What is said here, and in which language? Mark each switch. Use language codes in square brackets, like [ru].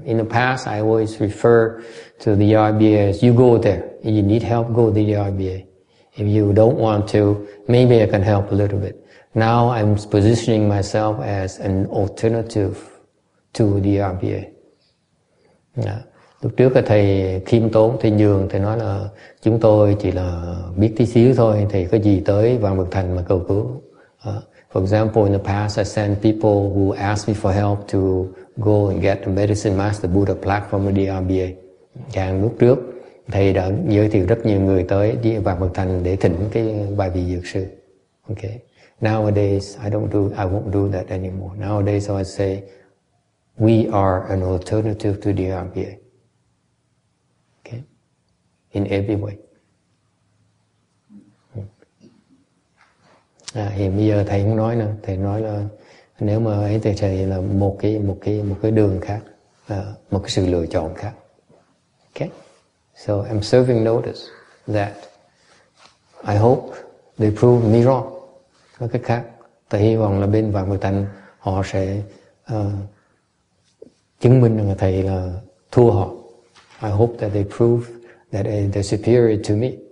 [en] In the past, I always refer to the RBA as you go there. If you need help, go to the RBA. If you don't want to, maybe I can help a little bit. Now I'm positioning myself as an alternative to the RBA. [vi] Lúc trước thầy khiêm tốn, thầy nhường, thầy nói là chúng tôi chỉ là biết tí xíu thôi, thầy có gì tới Vạn Vật Thành mà cầu cứu. [en] For example, in the past, I sent people who asked me for help to go and get the Medicine Master Buddha plaque from the RBA. [vi] Càng lúc trước, thầy đã giới thiệu rất nhiều người tới đi Vạn Vật Thành để thỉnh cái bài vị dược sư. [en] Okay. Nowadays, I won't do that anymore. Nowadays, I say, we are an alternative to the RBA. Okay. In every way. [vi] Thì bây giờ thầy không nói nữa, thầy nói là nếu mà ấy thì thầy là một cái đường khác, một cái sự lựa chọn khác. [en] Okay, so I'm serving notice that I hope they prove me wrong. [vi] Nói cách khác, tôi hy vọng là bên Vạn Vật Thành họ sẽ chứng minh rằng thầy là thua họ. [en] I hope that they prove that they're superior to me.